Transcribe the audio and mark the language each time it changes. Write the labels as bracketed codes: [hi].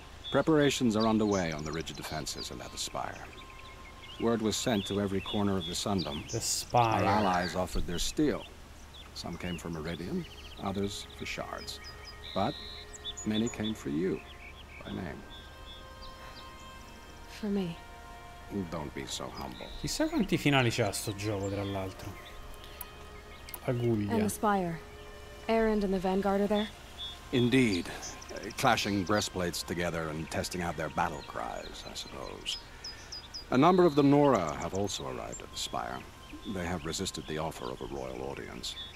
[en] Preparations are underway on the ridge of defenses and at the spire. Word was sent to every corner of the Sundom. The spire. Our allies offered their steel. Some came for Meridian, others for shards. But many came for you, by name. For me. Don't be so humble. [it] Chissà quanti finali c'ha sto gioco, tra l'altro. Aguglia. [en] And the spire. Erend and the Vanguard are there? Indeed. Clashing breastplates together and testing out their battle cries, I suppose. A number of the Nora have also arrived at the spire. They have resisted the offer of a royal audience.